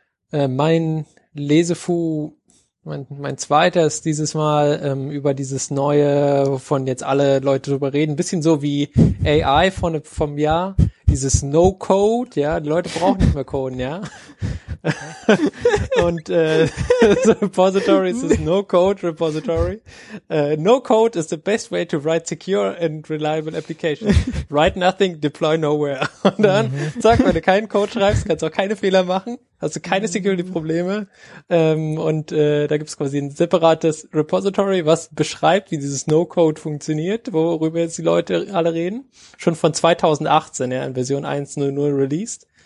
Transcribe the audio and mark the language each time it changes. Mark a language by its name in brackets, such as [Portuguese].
[German] Mein Lesefu, mein zweiter ist dieses Mal über dieses neue, wovon jetzt alle Leute drüber reden, bisschen so wie AI vom Jahr, dieses No-Code, ja, die Leute brauchen nicht mehr coden, ja. Und Repository ist das No-Code-Repository. [English] No-Code is the best way to write secure and reliable applications. Write nothing, deploy nowhere. [German] Und dann, zack, wenn du keinen Code schreibst, kannst du auch keine Fehler machen, hast du keine Security-Probleme. Da gibt es quasi ein separates Repository, was beschreibt, wie dieses No-Code funktioniert, worüber jetzt die Leute alle reden. Schon von 2018, ja, in Version 1.0.0 released.